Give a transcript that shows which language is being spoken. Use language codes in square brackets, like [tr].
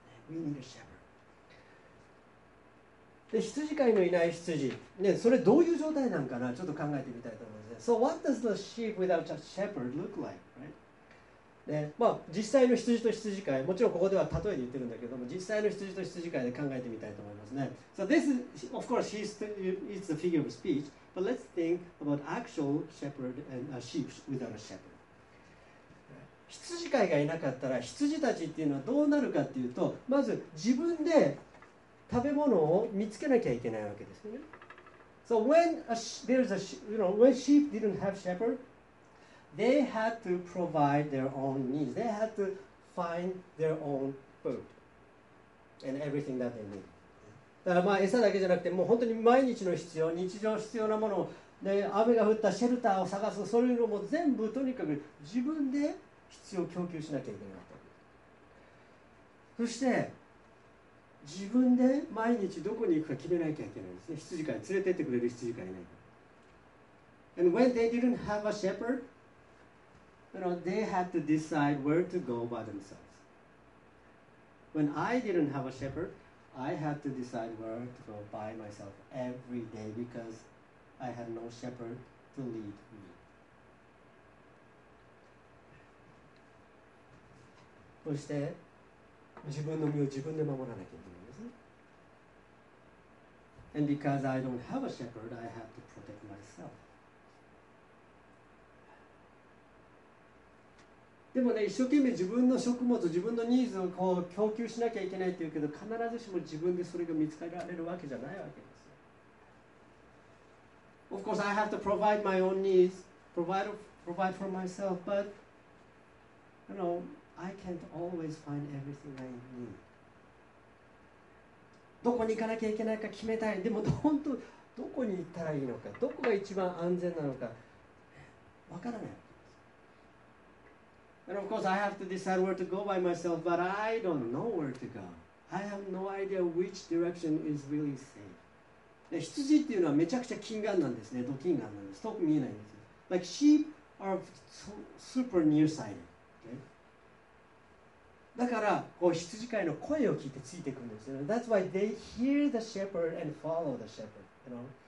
[en] We need a shepherd. [ja] で羊飼いのいない羊、ね、それどういう状態なんかな、ちょっと考えてみたいと思います、ね。 [en] So what does the sheep without a shepherd look like, right? [ja] ね、まあ実際の羊と羊飼い、もちろんここでは例えで言ってるんだけども、実際の羊と羊飼いで考えてみたいと思いますね。 [en] So this is, of course, it's a figure of speech, but let's think about actual shepherd and sheep without a shepherd. [ja] 羊飼いがいなかったら、羊たちっていうのはどうなるかっていうと、まず自分で食べ物を見つけなきゃいけないわけですね。 [en] So when there's a, you know, when sheep didn't have shepherd,They had to provide their own needs. They had to find their own food and everything that they need. [ja] だからまあ餌だけじゃなくて、もう本当に毎日の必要、日常必要なものを、で雨が降ったシェルターを探す、そういうのも全部とにかく自分で必要供給しなきゃいけないわけ。そして自分で毎日どこに行くか決めなきゃいけないんですね。羊飼い、連れてってくれる羊飼いね。 [en] And when they didn't have a shepherd, you know, they had to decide where to go by themselves. When I didn't have a shepherd, I had to decide where to go by myself every day because I had no shepherd to lead me. [ja] そして自分の身を自分で守らなきゃいけないんですね。 [en] And because I don't have a shepherd, I have to protect myself. [ja] でもね、一生懸命自分の食物、自分のニーズをこう供給しなきゃいけないって言うけど、必ずしも自分でそれが見つけられるわけじゃないわけですよ。 [en] Of course, I have to provide my own needs, provide for myself, but, you know,I can't always find everything I need. [ja] どこに行かなきゃいけないか決めたい。でも本当どこに行ったらいいのか、どこが一番安全なのかわからない。 [en] And of course I have to decide where to go by myself, but I don't know where to go. I have no idea which direction is really safe. [ja] で、羊っていうのはめちゃくちゃ近眼なんですね。ど近眼なんです。遠く見えないんですよ。 [en] Like sheep are super nearsighted. [ja] だからこう羊飼いの声を聞いてついてくるんですよ。 [en] That's why they hear the shepherd and follow the shepherd, you know?